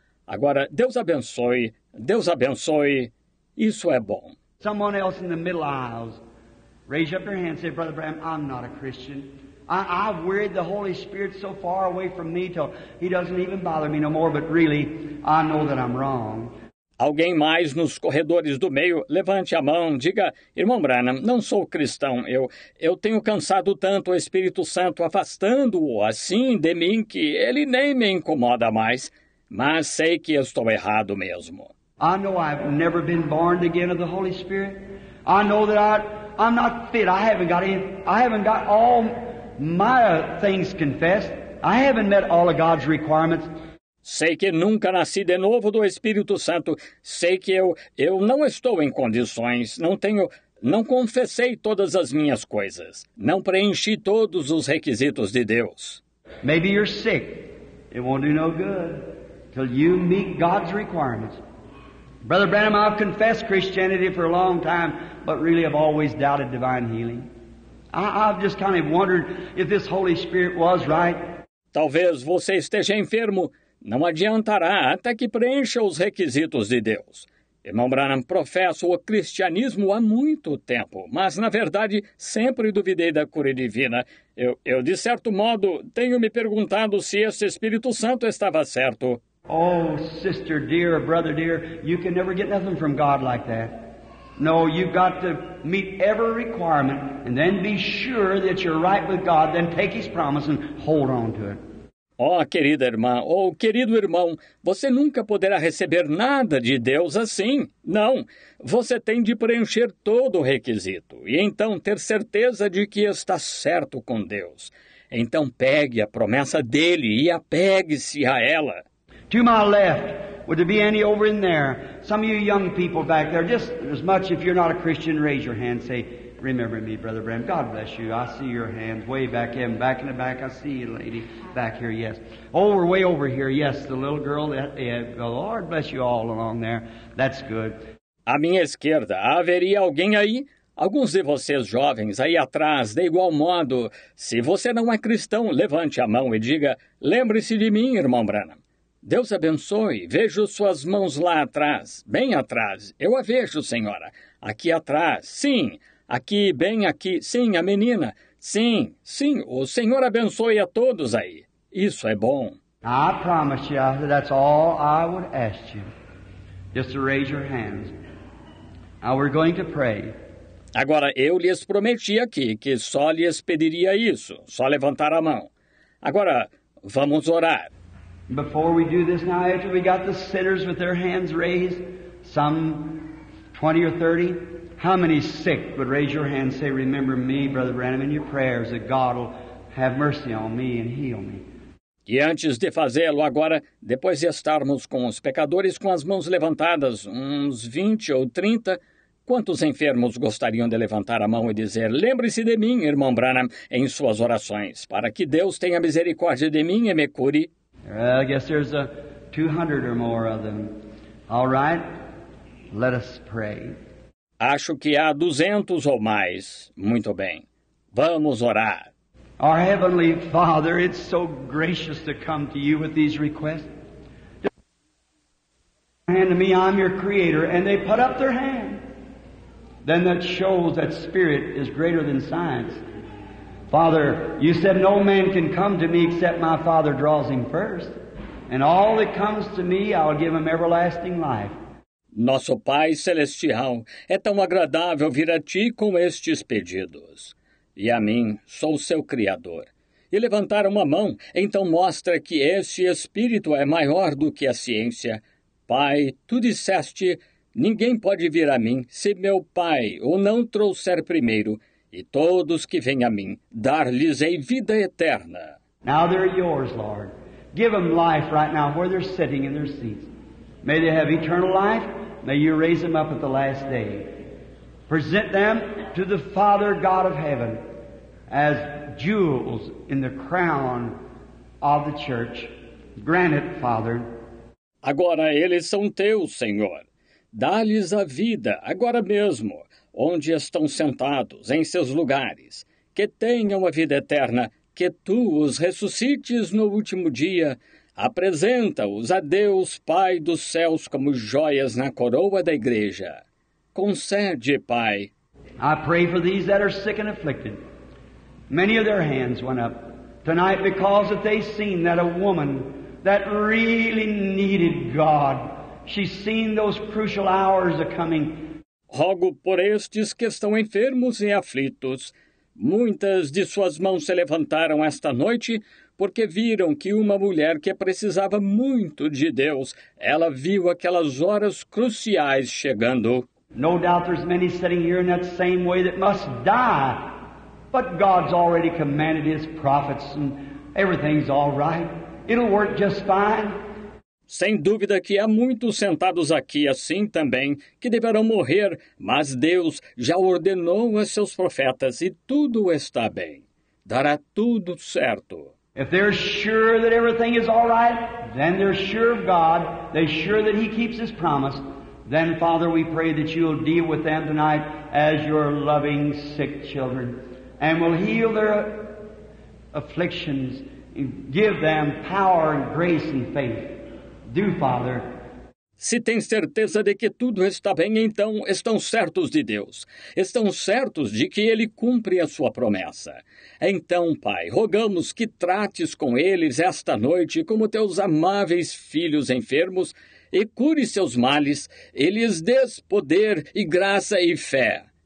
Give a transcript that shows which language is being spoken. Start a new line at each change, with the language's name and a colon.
Portuguese: Agora, Deus abençoe, Deus abençoe. Isso é bom.
English: Someone else in the middle aisles, raise up your hand and say, Brother Bram, I'm not a Christian. I've wearied the Holy Spirit so far away from me till he doesn't even bother me no more, but really, I know that I'm wrong.
Portuguese: Alguém mais nos corredores do meio, levante a mão, diga, Irmão Branham, não sou cristão, eu tenho cansado tanto o Espírito Santo afastando-o assim de mim que ele nem me incomoda mais, mas sei que estou errado mesmo.
English: I know I've never been born again of the Holy Spirit. I know that I'm not fit, I haven't got all... My things confessed. I haven't met all of God's requirements.
Portuguese: Sei que nunca nasci de novo do Espírito Santo. Sei que eu não estou em condições. Não confessei todas as minhas coisas. Não preenchi todos os requisitos de Deus.
English: Maybe you're sick. It won't do no good till you meet God's requirements. Brother Branham, I've confessed Christianity for a long time, but really I've always doubted divine healing. I've just kind of wondered if this Holy Spirit was right.
Portuguese: Talvez você esteja enfermo. Não adiantará até que preencha os requisitos de Deus. Irmão Branham, professo o cristianismo há muito tempo, mas, na verdade, sempre duvidei da cura divina. Eu, de certo modo, tenho me perguntado se esse Espírito Santo estava certo.
English: Oh, sister dear, brother dear, you can never get nothing from God like that. No, you've got to meet every requirement and then be sure that you're right with God, then take His promise and hold on to it.
Portuguese: Oh, querida irmã, oh, querido irmão, você nunca poderá receber nada de Deus assim. Não, você tem de preencher todo o requisito e então ter certeza de que está certo com Deus. Então pegue a promessa dEle e apegue-se a ela.
English: To my left. Would there be any over in there? Some of you young people back there, just as much if you're not a Christian, raise your hand. Say, remember me, Brother Bram. God bless you. I see your hands way back in. Back in the back, I see you, lady. Back here, yes. Over, way over here, yes. The little girl, the Lord bless you all along there. That's good.
Portuguese: À minha esquerda, haveria alguém aí? Alguns de vocês jovens aí atrás, de igual modo, se você não é cristão, levante a mão e diga, lembre-se de mim, Irmão Branham. Deus abençoe. Vejo suas mãos lá atrás, bem atrás. Eu a vejo, senhora. Aqui atrás, sim. Aqui, bem aqui, sim, a menina. Sim, sim, o Senhor abençoe a todos aí. Isso é bom.
English: I promise you that that's all I would ask you. Just to raise your hands. Now we're going to pray.
Portuguese: Agora, eu lhes prometi aqui que só lhes pediria isso, só levantar a mão. Agora, vamos orar.
English: Before we do this now, after we got the sinners with their hands raised, some 20 or 30, how many sick would raise your hand and say, remember me, Brother Branham, in your prayers that God will have mercy on me and heal me.
Portuguese: E antes de fazê-lo agora, depois de estarmos com os pecadores com as mãos levantadas, uns 20 ou 30, quantos enfermos gostariam de levantar a mão e dizer, lembre-se de mim, Irmão Branham, em suas orações, para que Deus tenha misericórdia de mim e me cure?
English: I guess there's a 200 or more of them. All right, let us pray.
Portuguese: Acho que há 200 ou mais. Muito bem. Vamos orar.
English: Our Heavenly Father, it's so gracious to come to you with these requests. Hand to me, I'm your creator. And they put up their hand. Then that shows that spirit is greater than science. Father, you said no man can come to me except my Father draws him first. And all that comes to me, I'll give him everlasting life.
Portuguese: Nosso Pai Celestial, é tão agradável vir a Ti com estes pedidos. E a mim, sou seu Criador. E levantar uma mão, então mostra que esse Espírito é maior do que a ciência. Pai, Tu disseste, ninguém pode vir a mim se meu Pai o não trouxer primeiro, e todos que vêm a mim, dar-lhes-ei vida eterna.
English: Now they're yours, Lord. Give them life right now where they're sitting in their seats. May they have eternal life. May you raise them up at the last day. Present them to the Father God of heaven as jewels in the crown of the church. Grant it, Father.
Portuguese: Agora eles são teus, Senhor. Dá-lhes a vida agora mesmo, onde estão sentados, em seus lugares. Que tenham a vida eterna, que tu os ressuscites no último dia. Apresenta-os a Deus, Pai dos céus, como joias na coroa da igreja. Concede, Pai.
English: I pray for these that are sick and afflicted. Many of their hands went up tonight because that they seen that a woman that really needed God. She seen those crucial hours are coming.
Portuguese: Rogo por estes que estão enfermos e aflitos. Muitas de suas mãos se levantaram esta noite porque viram que uma mulher que precisava muito de Deus, ela viu aquelas horas cruciais chegando.
English: No doubt there's many sitting here in that same way that must die. But God's already commanded his prophets and everything's all right. It'll work just fine.
Portuguese: Sem dúvida que há muitos sentados aqui assim também que deverão morrer, mas Deus já ordenou a seus profetas e tudo está bem. Dará tudo certo.
English: If they're sure that everything is all right, then they're sure of God. They're sure that he keeps his promise. Then, Father, we pray that you'll deal with them tonight as your loving sick children and will heal their afflictions and give them power and grace and faith. Do, Father.
Portuguese: Se tens certeza de que tudo está bem, então estão certos de Deus. Estão certos de que Ele cumpre a sua promessa. Então, Pai, rogamos que trates com eles esta noite como teus amáveis filhos enfermos e cure seus males, e lhes dês poder e graça e fé.